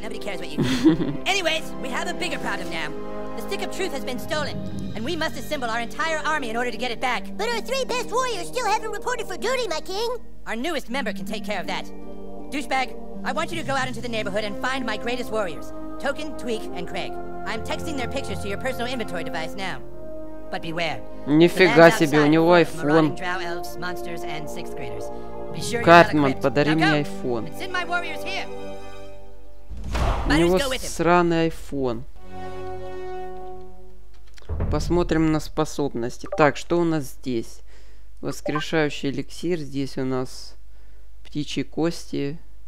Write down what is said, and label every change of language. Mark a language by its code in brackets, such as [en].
[en] Nobody cares what you do. Anyways, we have a bigger problem now. The stick of truth has been stolen, and we must assemble our entire army in order to get it back. But our three best warriors still haven't reported for duty, my king. Our newest member can take care of that. Douchebag, I want you to go out into the neighborhood and find my greatest warriors, Token, Tweak, and Craig. I'm texting their pictures to your personal inventory device now. But beware. [ru] Нифига себе, у него iPhone. [en] Drow elves, monsters, and sixth graders. Be sure [ru] Cartman, подари мне iPhone. [en] Send my warriors here. [ru] У него сраный айфон. Посмотрим на способности. Так, что у нас здесь? Воскрешающий эликсир. Здесь у нас птичьи кости.